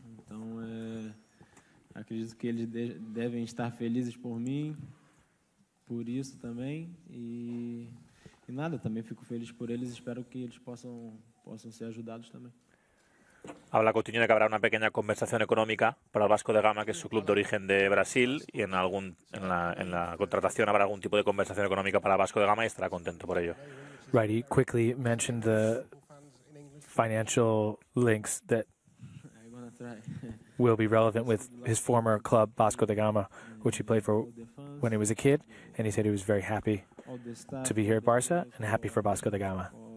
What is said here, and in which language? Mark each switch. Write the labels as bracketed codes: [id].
[pt] Então, acredito que eles devem estar felizes por mim, por isso também. E nada, também fico feliz por eles. Espero que eles possam ser ajudados também. [es] Habla Coutinho de que habrá una pequeña conversación económica para el Vasco de Gama, que es su club de origen de Brasil, y en la contratación habrá algún tipo de conversación económica para el Vasco de Gama y estará contento por ello. [en] Right, he quickly mentioned the financial links that will be relevant with his former club, Vasco da Gama, which he played for when he was a kid, and he said he was very happy to be here at Barça and happy for Vasco da Gama.